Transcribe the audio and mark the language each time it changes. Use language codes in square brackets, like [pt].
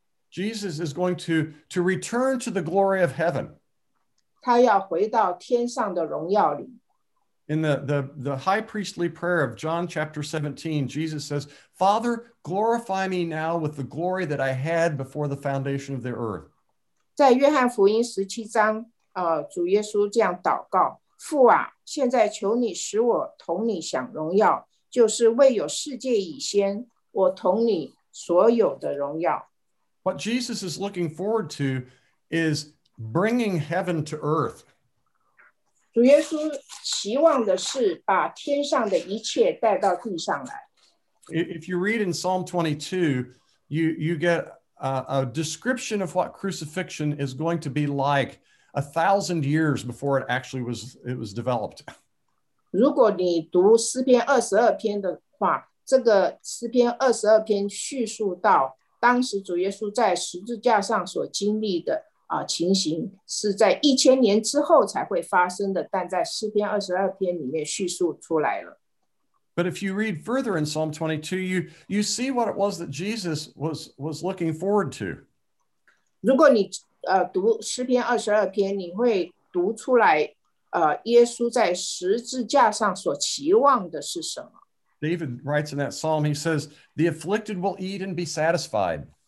[en] Jesus is going to return to the glory of heaven. [zh] 他要回到天上的荣耀里。 [en] In the high priestly prayer of John chapter 17, Jesus says, Father, glorify me now with the glory that I had before the foundation of the earth. [zh] 在约翰福音十七章，主耶稣这样祷告，父啊，现在求你使我同你享荣耀，就是未有世界以先，我同你所有的荣耀。 [en] What Jesus is looking forward to is bringing heaven to earth. [zh] 主耶稣希望的是把天上的一切带到地上来。 [en] If you read in Psalm 22, you get a description of what crucifixion is going to be like 1,000 years before it actually was developed. [zh] 如果你读诗篇二十二篇的话，这个诗篇二十二篇叙述到当时主耶稣在十字架上所经历的，情形是在一千年之后才会发生的，但在诗篇二十二篇里面叙述出来了。 [en] But if you read further in Psalm 22, you see what it was that Jesus was looking forward to. [zh] 如果你读诗篇二十二篇，你会读出来耶稣在十字架上所期望的是什么。 [en] David writes in that psalm, he says, the afflicted will eat and be satisfied.